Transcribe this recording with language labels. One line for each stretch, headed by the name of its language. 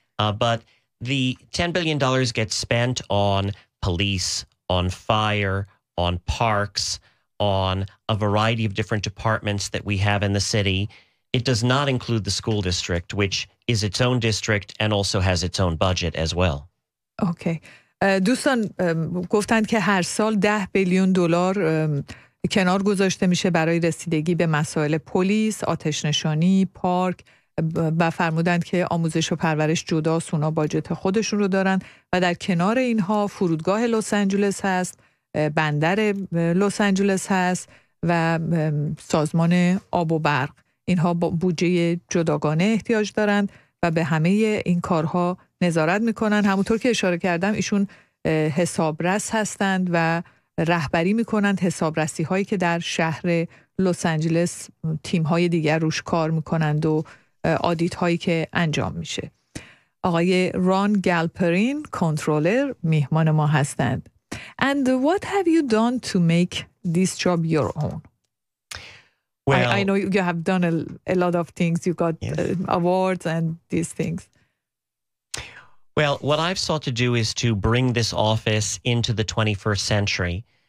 English: But the $10 billion gets spent on police, on fire, on parks, on a variety of different departments that we have in the city. It does not include the school district, which is its own district and also has its own budget as well. Okay.
Persian: دوستان گفتند که هر سال
English: $10 billion
Persian: کنار گذاشته میشه برای رسیدگی به مسائل پلیس، آتش نشانی، پارک، و فرمودند که آموزش و پرورش جداست، اونا باجت خودشون رو دارن و در کنار اینها فرودگاه لس آنجلس هست، بندر لس آنجلس هست و سازمان آب و برق. اینها با بودجه جداگانه احتیاج دارند و به همه این کارها نظارت میکنن. همونطور که اشاره کردم، ایشون حسابرس هستند و رهبری میکنند حسابرسی هایی که در شهر لس آنجلس تیم های دیگر روش کار میکنند و آدیت هایی که انجام میشه. آقای ران گلپرین، کنترلر، میهمان ما هستند.
English: And what have you done to make this job your own? Well, I know you have done a lot of things. You got awards and these things. Well, what I've sought to do is to bring this office into the 21st century.